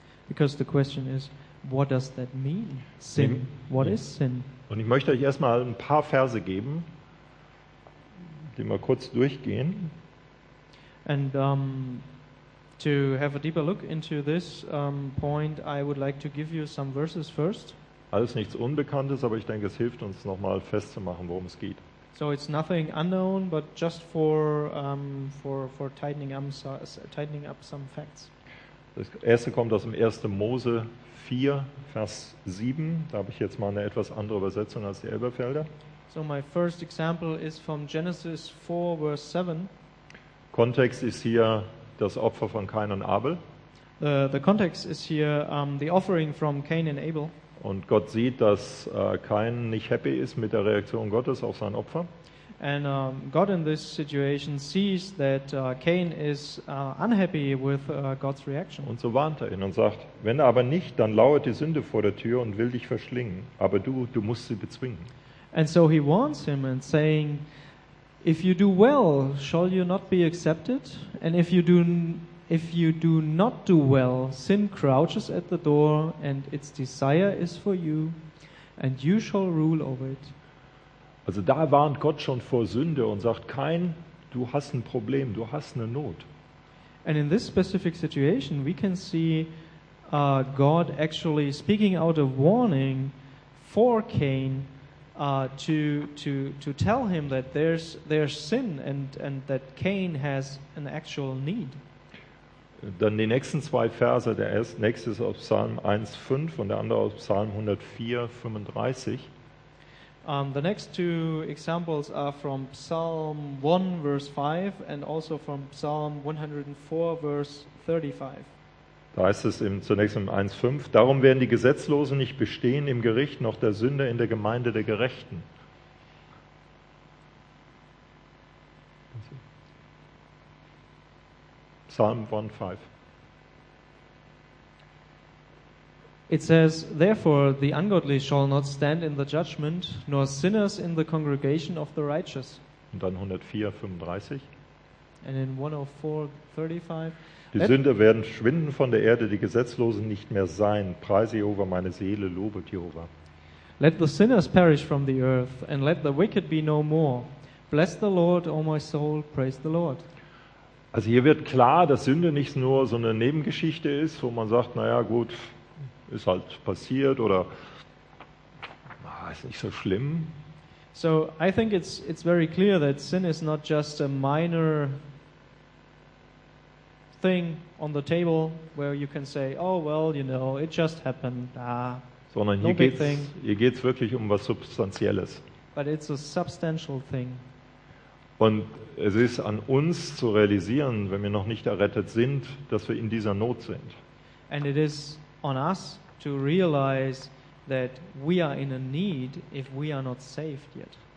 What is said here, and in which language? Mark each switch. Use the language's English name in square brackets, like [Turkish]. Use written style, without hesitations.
[English] Because the question is, what does that mean? Sin. What is sin? [German] Und ich möchte euch erstmal ein paar Verse geben, die mal kurz durchgehen. [English] And to have a deeper look into this point, I would like to give you some verses first. [German] Alles nichts Unbekanntes, aber ich denke, es hilft uns nochmal festzumachen, worum es geht. [English] So it's nothing unknown, but just for tightening up some facts. [German] Das erste kommt aus dem 1. Mose 4, Vers 7. Da habe ich jetzt mal eine etwas andere Übersetzung als die Elberfelder. [English] So my first example is from Genesis 4, verse 7. [German] Kontext ist hier das Opfer von Cain und Abel. [English] The context is here the offering from Cain and Abel. [German] Und Gott sieht, dass Cain nicht happy ist mit der Reaktion Gottes auf sein Opfer. [English] And God in this situation sees that Cain is unhappy with God's reaction. [German] Und so warnt er ihn und sagt, wenn aber nicht, dann lauert die Sünde vor der Tür und will dich verschlingen, aber du musst sie bezwingen. [English] And so he warns him and saying, if you do well, shall you not be accepted? And if you do not do well, sin crouches at the door and its desire is for you and you shall rule over it. [German] Also da warnt Gott schon vor Sünde und sagt, Kain, du hast ein Problem, du hast eine Not. [English] And in this specific situation we can see God actually speaking out a warning for Cain to tell him that there's sin and that Cain has an actual need. [German] Dann die nächsten zwei Verse, der erste, nächste ist aus Psalm 1,5 und der andere aus Psalm 104,35. [English] The next two examples are from Psalm 1, verse 5 and also from Psalm 104, verse 35. [German] Da heißt es zunächst im 1,5, darum werden die Gesetzlosen nicht bestehen im Gericht, noch der Sünder in der Gemeinde der Gerechten. [English] Psalm 1,5. It says, therefore, the ungodly shall not stand in the judgment, nor sinners in the congregation of the righteous. [German] Und dann 104,35. [English] And in 104,35. [German] Die Sünder werden schwinden von der Erde, die Gesetzlosen nicht mehr sein. Preise Jehova, meine Seele, lobet Jehova. [English] Let the sinners perish from the earth, and let the wicked be no more. Bless the Lord, O my soul, praise the Lord. [German] Also hier wird klar, dass Sünde nicht nur so eine Nebengeschichte ist, wo man sagt, naja, gut, ist halt passiert oder ist nicht so schlimm. [English] So I think it's very clear that sin is not just a minor thing on the table where you can say, oh well, you know, it just happened. Ah, [German] sondern hier geht's wirklich um was Substanzielles. [English] But it's a substantial thing. [German] Und es ist an uns zu realisieren, wenn wir noch nicht errettet sind, dass wir in dieser Not sind. [English] And it is on us to realize that we are in a need if we are not saved yet.